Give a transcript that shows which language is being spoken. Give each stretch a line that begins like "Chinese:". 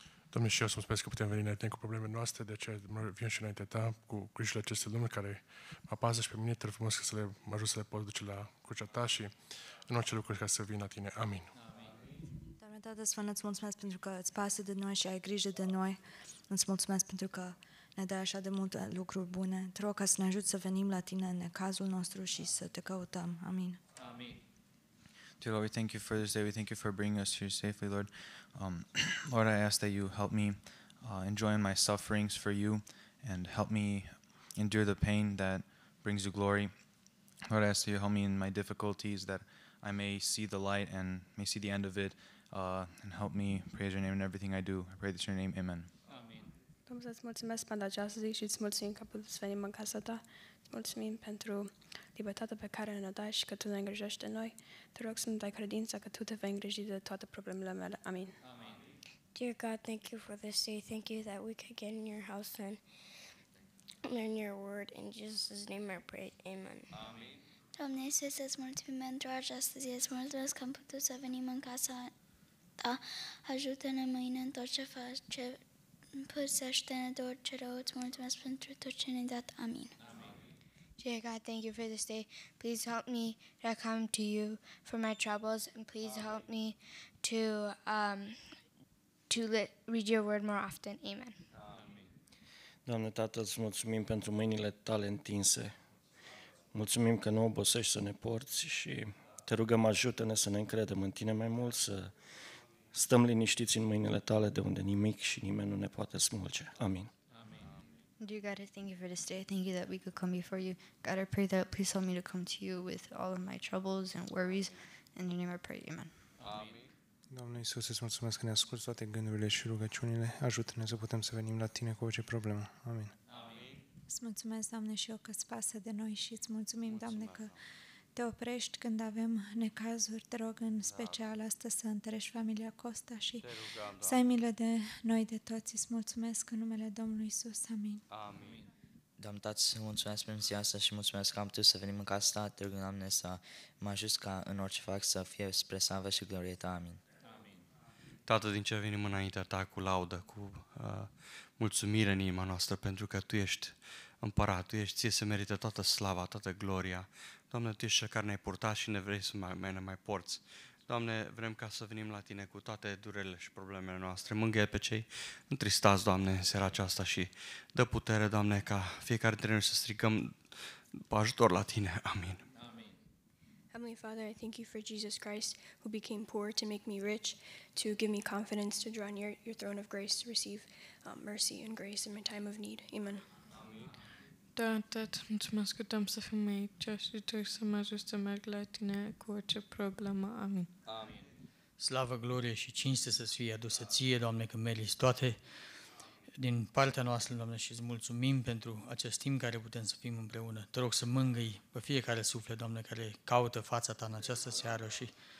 Romanian: Doamne, și eu îți mulțumesc că putem veni înainte cu problemele noastre, de aceea vin și înaintea Ta cu grijile acestei lume care mă apază și pe mine, trebuie frumos să mă ajut să le pot duce la crucea Ta și în orice lucru ca să vin la Tine. Amin. Doamne, Tată Sfânt, îți mulțumesc pentru că îți pasă de noi și ai grijă de noi. Îți mulțumesc pentru că ne dai așa de multe lucruri bune. Te rog ca să ne ajuți să venim la Tine în cazul nostru și să Te căutăm. Amin. Amin.
English: Dear Lord, we thank You for this day. We thank You for bringing us here safely, Lord. Lord, I ask that You help me enjoy my sufferings for You and help me endure the pain that brings You glory. Lord, I ask that You help me in my difficulties that I may see the light and may see the end of it and help me praise Your name in everything I do. I pray this in Your name. Amen.
Romanian: Amin. Domnul să-ți mulțumesc pentru această zi și îți mulțumim că putem să venim în casa Ta. Mulțumim pentru libertatea pe care ne-o dai și că Tu ne îngrijești de noi. Te rog să-mi dai credința că Tu te vei îngriji de toate problemele mele. Amin.
English: Amen. Dear God, thank You for this day. Thank You that we could get in Your house and learn Your word. In Jesus' name I pray. Amen.
Romanian: Amin. Doamne Iisus, îți mulțumim pentru această zi. Îți mulțumesc că am putut să venim în casa Ta. Ajută-ne mâine în tot ce face. Împărțește-ne de orice rău. Îți mulțumesc pentru tot ce ne-ai dat. Amin.
English: Dear God, thank You for this day. Please help me to come to You for my troubles, and please help me to read Your word more often. Amen. Amen.
Romanian: Doamne Tată, îți mulțumim pentru mâinile Tale întinse. Mulțumim că nu obosești să ne porți și Te rugăm, ajută-ne să ne încredem în Tine mai mult, să stăm liniștiți în mâinile Tale, de unde nimic și nimeni nu ne poate smulge. Amin.
English: Dear God, I thank You for this day. I thank You that we could come before You. God, I pray that please help me to come to You with all of my troubles and worries. In Your name I pray, Amen.
Romanian: Amin. Doamne Iisus, îți mulțumesc că ne asculți toate gândurile și rugăciunile. Ajută-ne să putem să venim la Tine cu orice problemă. Amin. Amin. Îți mulțumesc, Doamne, și eu că îți pasă de noi și îți mulțumim, Doamne, că Te oprești când avem necazuri. Te rog în special astăzi să întărești familia Costa și să ai milă de noi de toți. Îți mulțumesc în numele Domnului Iisus. Amin. Amin. Doamne, Tată, îți mulțumesc pentru ziua asta și mulțumesc că am putut să venim în casa Ta. Te rog, Doamne, să mă ajuți ca în orice fac să fie spre slavă și glorie Ta. Amin. Amin. Tată, din ce venim înaintea Ta cu laudă, cu mulțumire în inima noastră, pentru că Tu ești Împărat, Tu ești, Ție se merită toată slava, toată gloria. Doamne, Tu ești cel care ne-ai purtat și ne vrei să ne mai porți. Doamne, vrem ca să venim la Tine cu toate durerile și problemele noastre. Mângâie pe cei întristați, Doamne, în seara aceasta și dă putere, Doamne, ca fiecare dintre noi să strigăm după ajutor la Tine. Amin. Amin.
English: Heavenly Father, I thank You for Jesus Christ, who became poor to make me rich, to give me confidence to draw near Your throne of grace, to receive mercy and grace in my time of need. Amen.
Romanian: Tată, îți mulțumesc că Te-am să fim aici și Tu să mă ajut să merg la Tine cu orice problemă. Amin. Amin. Slavă, glorie și cinste să-ți fie adusă Ție, Doamne, că meriți toate din partea noastră, Doamne, și îți mulțumim pentru acest timp care putem să fim împreună. Te rog să mângâi pe fiecare suflet, Doamne, care caută fața Ta în această seară și